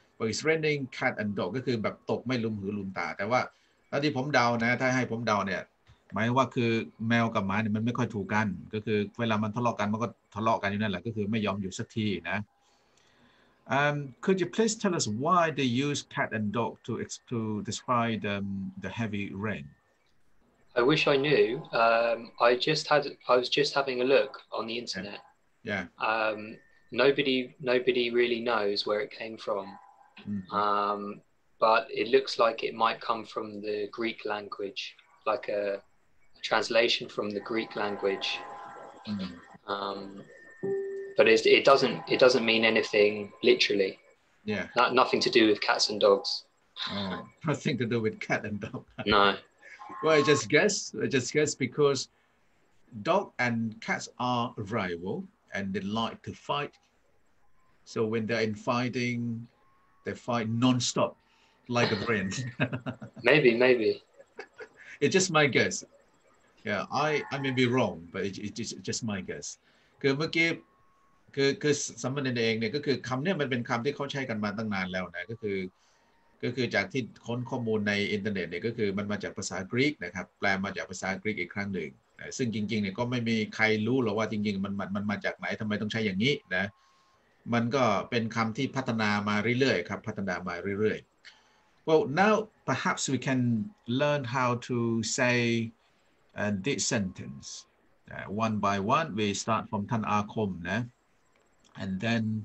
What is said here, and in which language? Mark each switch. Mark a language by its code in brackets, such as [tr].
[th] it's raining cat and dog ก็คือแบบตกไม่ลุมหือลุมตาแต่ว่าถ้าที่ผมเดานะถ้าให้ผมเดาเนี่ยหมายว่าคือแมวกับหมาเนี่ยมันไม่ค่อยถูกกันก็คือเวลามันทะเลาะกันมันก็ทะเลาะกันอยู่นั่นแหละก็คือไม่ยอมอยู่สักทีนะ [en] could you please tell us why they use cat and dog to describe the heavy rain? I wish I knew. I was just having a look on the internet. Yeah. Nobody really knows where it came from. Mm. But it looks like it might come from the Greek language, like a translation from the Greek language. Mm. But it doesn't mean anything literally. Yeah. Nothing to do with cats and dogs. Oh, nothing to do with cat and dog. No. Well, I just guess because dog and cats are rival and they like to fight. So when they're in fighting, they fight nonstop, like a brain. maybe. It's just my guess. Yeah, I may be wrong, but it's just my guess. [th] คือเมื่อกี้คือสำนวนเองเนี่ยก็คือคำเนี่ยมันเป็นคำที่เขาใช้กันมาตั้งนานแล้วนะก็คือ จากที่ค้นข้อมูลในอินเทอร์เน็ตเนี่ยก็คือมันมาจากภาษากรีกนะครับแปลมาจากภาษากรีกอีกครั้งหนึ่งนะซึ่งจริงๆเนี่ยก็ไม่มีใครรู้หรอกว่าจริงๆมันมาจากไหนทำไมต้องใช้อย่างนี้นะมันก็เป็นคำที่พัฒนามาเรื่อยๆครับพัฒนามาเรื่อยๆ [en] Well now perhaps we can learn how to saythis sentence one by one we start from [th] Tan A Khom นะ [en] and then